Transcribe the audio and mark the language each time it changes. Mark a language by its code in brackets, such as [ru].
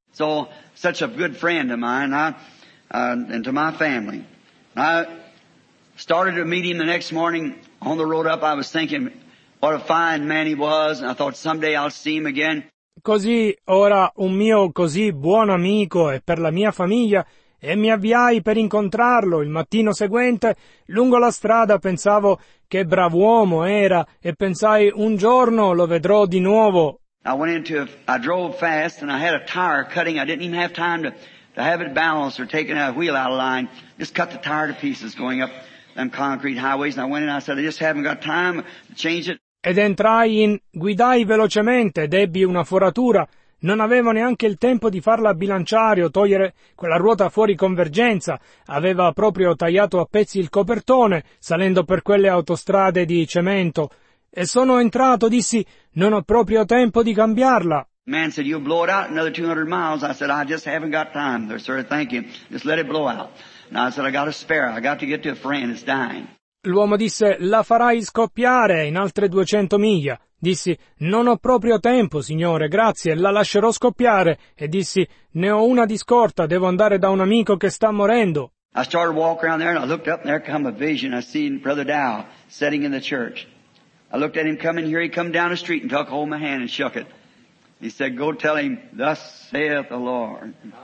[en] So, such a good friend of mine, and to my family. I started a meeting the next morning on the road up, I was thinking what a fine man he was, and I thought someday I'll see him again. [it] Così ora un mio così buon amico e per la mia famiglia e mi avviai per incontrarlo il mattino seguente lungo la strada pensavo che bravo uomo era e pensai un giorno lo vedrò di nuovo. [en] I drove fast and I had a tire cutting. I didn't even have time to have it balanced or taking a wheel out of line. Just cut the tire to pieces going up them concrete highways. And I went in and I said, I just haven't got time to change it. [it] Ed entrai in, guidai velocemente ed ebbi una foratura. Non avevo neanche il tempo di farla bilanciare o togliere quella ruota fuori convergenza. Aveva proprio tagliato a pezzi il copertone, salendo per quelle autostrade di cemento. E sono entrato, dissi, non ho proprio tempo di cambiarla. [en] Man said, you'll blow it out another 200 miles. I said, I just haven't got time there, sir, thank you. Just let it blow out. And I said, I got a spare. I got to get to a friend that's dying. [it] L'uomo disse, la farai scoppiare in altre 200 miglia. Dissi, non ho proprio tempo, signore, grazie, la lascerò scoppiare. E dissi, ne ho una di scorta, devo andare da un amico che sta morendo. [en] I started walking around there and I looked up and there come a vision. I seen Brother Dow sitting in the church. I looked at him coming here, he come down the street and took hold of my hand and shook it. He said, go tell him, thus saith the Lord.